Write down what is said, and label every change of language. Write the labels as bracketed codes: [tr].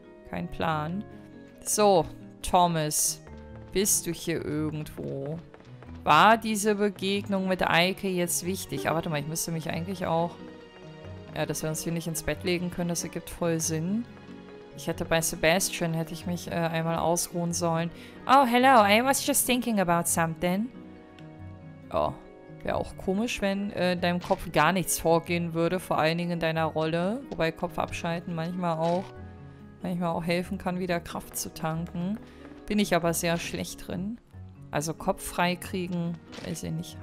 [de] Kein Plan. So, Thomas. Bist du hier irgendwo? War diese Begegnung mit Eike jetzt wichtig? Aber warte mal, ich müsste mich eigentlich auch... Ja, dass wir uns hier nicht ins Bett legen können, das ergibt voll Sinn. Ich hätte bei Sebastian, hätte ich mich einmal ausruhen sollen. [en] Oh, hello, I was just thinking about something. [de] Ja, wäre auch komisch, wenn in deinem Kopf gar nichts vorgehen würde, vor allen Dingen in deiner Rolle. Wobei Kopf abschalten manchmal auch helfen kann, wieder Kraft zu tanken. Bin ich aber sehr schlecht drin. Also Kopf frei kriegen, weiß ich nicht.